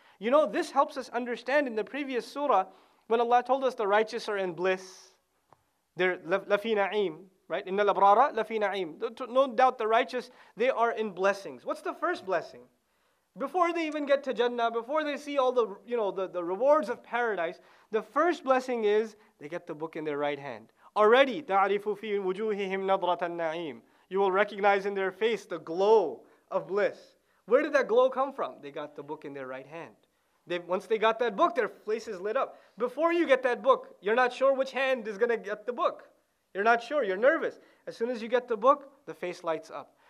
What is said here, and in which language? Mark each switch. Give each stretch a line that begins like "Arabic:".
English: You know, this helps us understand in the previous surah, when Allah told us the righteous are in bliss, they're
Arabic: لَفِي نَعِيمٍ,
English: right?
Arabic: إِنَّ الْأَبْرَارَ لَفِي نَعِيمٍ.
English: No doubt the righteous, they are in blessings. What's the first blessing? Before they even get to Jannah, before they see all the, you know, the rewards of paradise, the first blessing is they get the book in their right hand. Already,
Arabic: تَعْرِفُ فِي وُجُوهِهِمْ نَضْرَةَ النَّعِيمِ.
English: You will recognize in their face the glow of bliss. Where did that glow come from? They got the book in their right hand. Once they got that book, their face is lit up. Before you get that book, you're not sure which hand is going to get the book. You're not sure, you're nervous. As soon as you get the book, the face lights up.